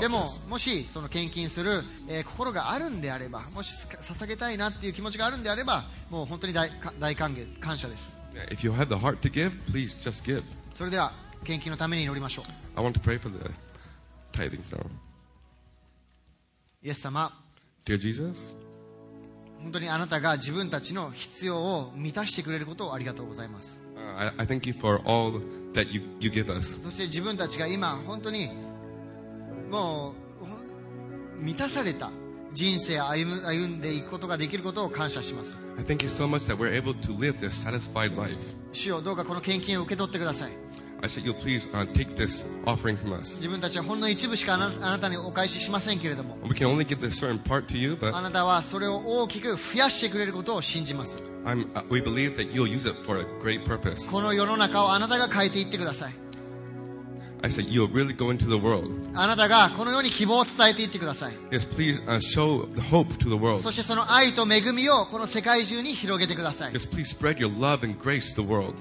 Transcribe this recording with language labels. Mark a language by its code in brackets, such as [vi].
[ja] でももしその献金する、心があるんであればもし捧げたいなっていう気持ちがあるんであればもう本当に 大歓迎感謝です [en] yeah, if you have the heart to give, please just give. [ja] それでは献金のために祈りましょう [en] I want to pray for the tithing now. [ja] イエス様 [en] Dear Jesus [ja] 本当にあなたが自分たちの必要を満たしてくれることをありがとうございます。 [en] I thank you for all that you give us. [ja] そして自分たちが今本当にもう満たされた人生を歩んでいくことができることを感謝します。 [en] I thank you so much that we're able to live this satisfied life. [ja] 主よ、どうかこの献金を受け取ってください。 [en] I said you'll please take this offering from us. [ja] 自分たちはほんの一部しかあなたにお返ししませんけれども。 [en] We can only give this certain part to you, but [ja] あなたはそれを大きく増やしてくれることを信じます。 [en] We believe that you'll use it for a great purpose. [ja] この世の中をあなたが変えていってください。 [en] I said you'll really go into the world. [ja] あなたがこの世に希望を伝えていってください。 [en] Yes, please show the hope to the world. [ja] そしてその愛と恵みをこの世界中に広げてください。 [en] Yes, please spread your love and grace to the world.